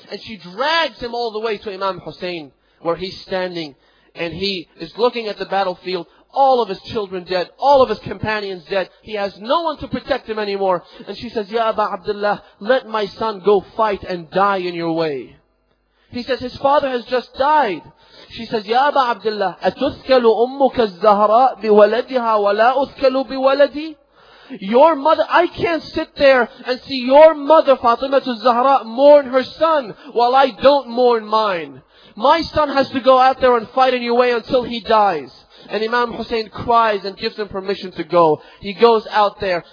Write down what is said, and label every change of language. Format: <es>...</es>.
<en>And she drags him all the way to Imam Hussein where he's standing. And he is looking at the battlefield. All of his children dead. All of his companions dead. He has no one to protect him anymore. And she says, Ya Aba Abdullah, let my son go fight and die in your way. He says, his father has just died. She says,</en> <ar>Ya Aba Abdullah, أَتُثْكَلُ أُمُّكَ الزَّهْرَاءُ بِوَلَدِهَا وَلَا أُثْكَلُ بِوَلَدِي.</ar> <en>Your mother, I can't sit there and see your mother, Fatima al-Zahra, mourn her son while I don't mourn mine. My son has to go out there and fight in your way until he dies. And Imam Hussein cries and gives him permission to go. He goes out there.</en>